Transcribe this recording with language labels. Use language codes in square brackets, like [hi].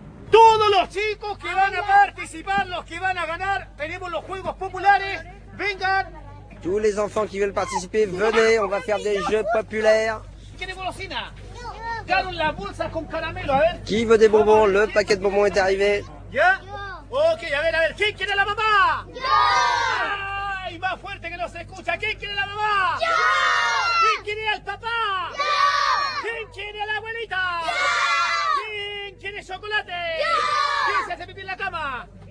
[es] Todos los chicos que van a participar, los que van a ganar, tenemos los juegos populares. Vengan. [fr] Tous les enfants qui veulent participer, venez, on va faire des jeux populaires. Qui veut des bonbons? Le paquet de bonbons est arrivé. [es] Yeah. Ok, a ver. Qui quiere la mamá? Yeah. Ay, más fuerte que no se escucha. ¿Quién quiere la mamá? Yeah. ¿Quién quiere al papá? Yeah. ¿Quién quiere a la abuelita? Yeah. ¿Quién quiere chocolate? Yeah. ¿Quién se hace pipí en la cama?